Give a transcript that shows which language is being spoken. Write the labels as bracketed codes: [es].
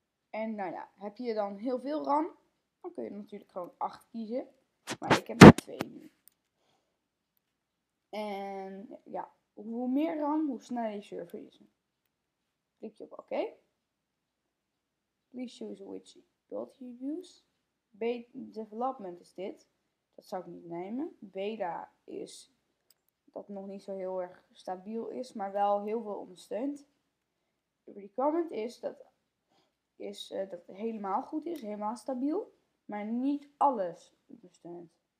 [nl] En nou ja, heb je dan heel veel RAM, dan kun je natuurlijk gewoon 8 kiezen. Maar ik heb maar 2 nu. En ja, hoe meer RAM, hoe sneller je server is. Klik je op OK. [en] Please choose which build you use. Beta development [nl] is dit. Dat zou ik niet nemen. Beta is dat nog niet zo heel erg stabiel is, maar wel heel veel ondersteund. Requirement is dat het helemaal goed is, helemaal stabiel, maar niet alles ondersteunt.